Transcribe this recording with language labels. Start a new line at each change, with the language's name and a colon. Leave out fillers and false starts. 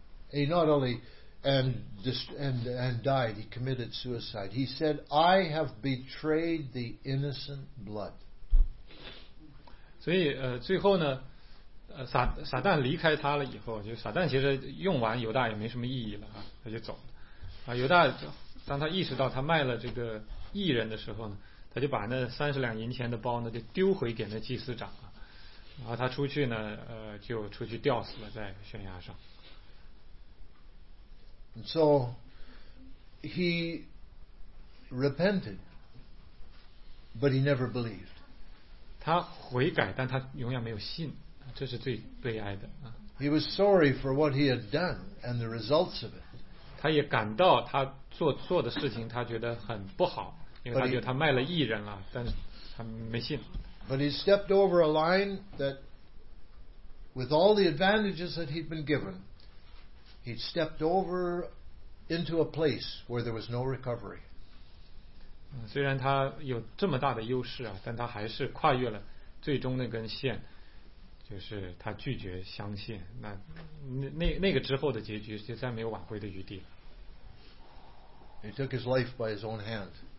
English: He not only and died, he committed suicide. He said, I have betrayed the innocent blood.
Chinese: 所以最后呢，撒旦离开他了以后，就撒旦其实用完犹大也没什么意义了，他就走了。犹大当他意识到他卖了这个义人的时候呢，他就把那30两银钱的包呢就丢回给那祭司长了，然后他出去呢就出去吊死了在悬崖上。
English: And so he repented, but he never believed.
Chinese: 他悔改，但他永远没有信，这是最悲哀的。
English: He was sorry for what he had done and the results of it.
Chinese: 他也感到他做的事情，他觉得很不好，因为他觉得他卖了义人了，但是他没信。
English: But he stepped over a line that, with all the advantages that he'd been given, he stepped over. Into a place where there was no recovery.
Chinese: 虽然他有这么大的优势啊，但他还是跨越了最终那根线，就是他拒绝相信。那个之后的结局就再没有挽回的余地了。
English: He took his life by his own hand.